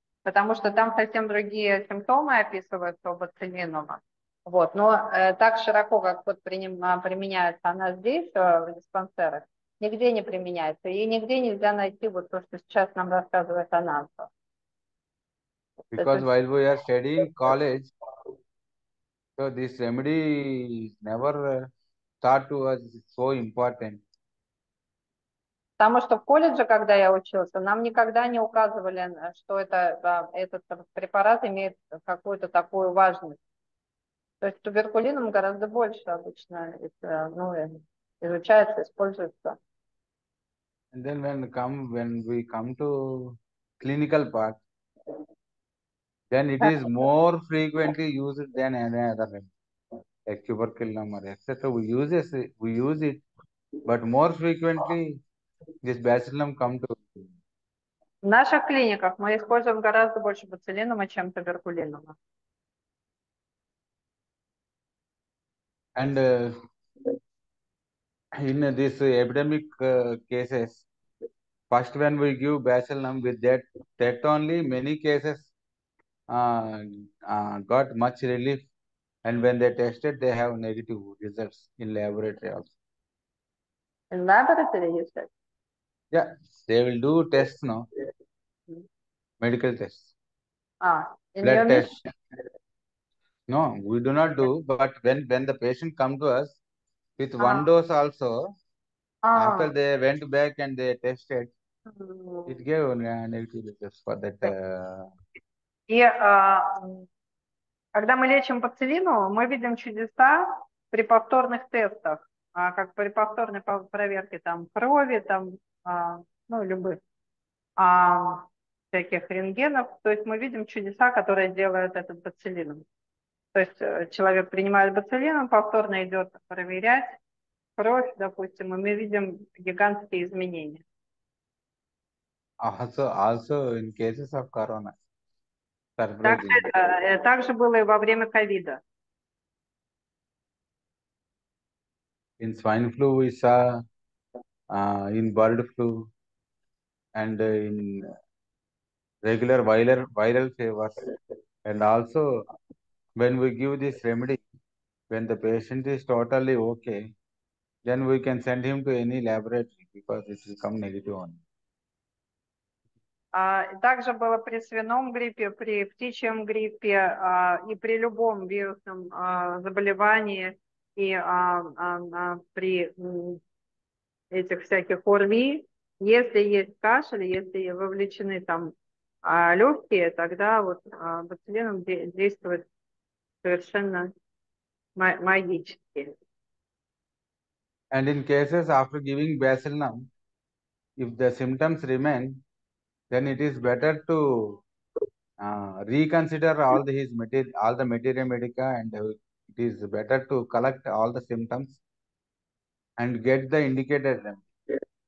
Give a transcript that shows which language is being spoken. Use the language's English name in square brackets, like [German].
[Russian] Потому что там совсем другие симптомы описываются у бацилинума. Вот. Но так широко, как вот применяется она здесь, в диспансерах, нигде не применяется. И нигде нельзя найти вот то, что сейчас нам рассказывает Ананта. [English] Because while we are studying college, so this remedy is never thought to us so important. [Russian] Потому что в колледже, когда я учился, нам никогда не указывали, что этот препарат имеет какую-то такую важность. То есть туберкулином гораздо больше обычно изучается, используется. [English] And then when we come to clinical part, then it is more frequently used than any other remedy. Like tuberculum or etc. We use it, but more frequently this bacillum come to. [Russian] В наших клиниках мы используем гораздо больше бацилинума, чем туберкулинума. [English] And in this epidemic cases, first when we give bacillum with that only many cases got much relief, and when they tested, they have negative results in laboratory also. In laboratory, you said? Yeah, they will do tests now. Medical tests. In blood your tests. No, we do not do, but when the patient come to us with one dose also, after they went back and they tested, it gave negative results for that. [Russian] Когда мы лечим бацилину, мы видим чудеса при повторных тестах, как при повторной проверке там крови, там любых всяких рентгенов. То есть мы видим чудеса, которые делает этот бацилином. То есть человек принимает бацилином, повторно идет проверять кровь, допустим, и мы видим гигантские изменения. [English] Also in cases of corona. [Russian] Сорвали. Также было и во время ковида. [English] In swine flu we saw, in bird flu, and in regular viral fevers, and also when we give this remedy, when the patient is totally okay, then we can send him to any laboratory because this will come negative only. [Russian] Также было при свином гриппе, при птичьем гриппе и при любом вирусном заболевании и при этих всяких ОРВИ. Если есть кашель, если вовлечены там легкие, тогда вот бациллином действует совершенно магически. [English] And in cases after giving bacillin, if the symptoms remain, then it is better to reconsider all the his material, all the materia medica, and it is better to collect all the symptoms and get the indicated remedy